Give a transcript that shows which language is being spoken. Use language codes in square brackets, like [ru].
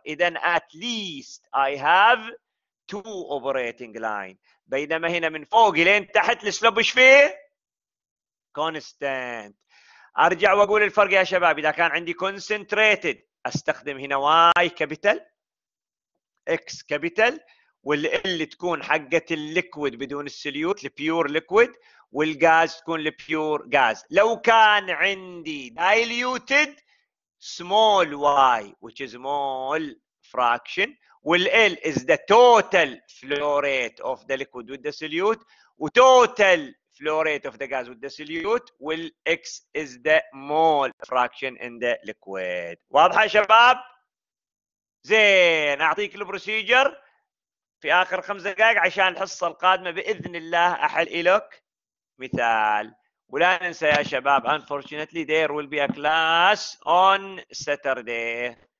[ar] إذن [en] at least I have two operating line، [ar] بينما هنا من فوق لين تحت السلوب ايش فيه؟ constant. أرجع وأقول الفرق يا شباب، إذا كان عندي concentrated أستخدم هنا Y capital X capital، والL تكون حقة الليكويد بدون السليوت البيور ليكويد، والغاز تكون البيور غاز. لو كان عندي [en] diluted small y which is small fraction، والL is the total flow rate of the liquid with the solute وtotal flow rate of the gas with the solute، والX is the mole fraction in the liquid. [ar] واضح يا شباب؟ زين أعطيك البروسيجر في آخر خمس دقائق عشان الحصة القادمة بإذن الله أحل إلك مثال. ولا ننسى يا شباب [en] unfortunately there will be a class on Saturday.